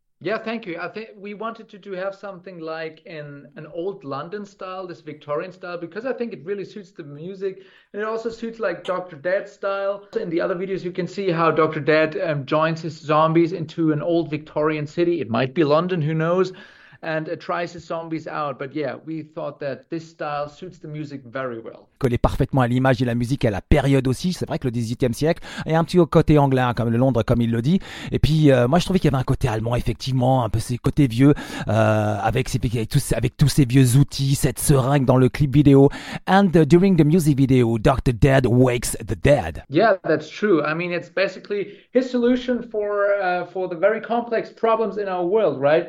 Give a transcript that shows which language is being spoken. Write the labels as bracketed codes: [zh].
[en] Yeah, thank you. I think we wanted to have something like in an old London style, this Victorian style, because I think it really suits the music. And it also suits like Dr. Dead style. In the other videos, you can see how Dr. Dead joins his zombies into an old Victorian city. It might be London, who knows? And it tries the zombies out. But yeah, we thought that this style suits the music very well. [fr] Collait parfaitement à l'image et la musique et à la période aussi. C'est vrai que le 18e siècle est un petit côté anglais, hein, comme le Londres, comme il le dit. Et puis, moi, je trouvais qu'il y avait un côté allemand, effectivement, un peu ces côtés vieux, avec tous ces vieux outils, cette seringue dans le clip vidéo. [en] And during the music video, Dr. Dead wakes the dead. Yeah, that's true. I mean, it's basically his solution for the very complex problems in our world, right?